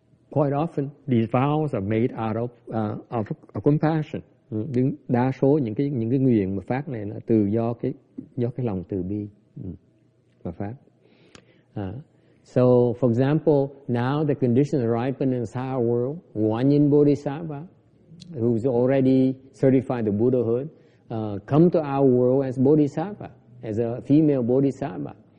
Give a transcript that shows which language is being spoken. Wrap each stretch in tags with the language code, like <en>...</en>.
<en>quite often these vows are made out of compassion.</en> <vi>Đa số những cái nguyện mà phát này là từ do cái lòng từ bi mà phát.</vi> <en>So for example, now the conditions ripen in the higher world. Guanyin Bodhisattva, who's already certified the Buddhahood, come to our world as Bodhisattva, as a female Bodhisattva.</en>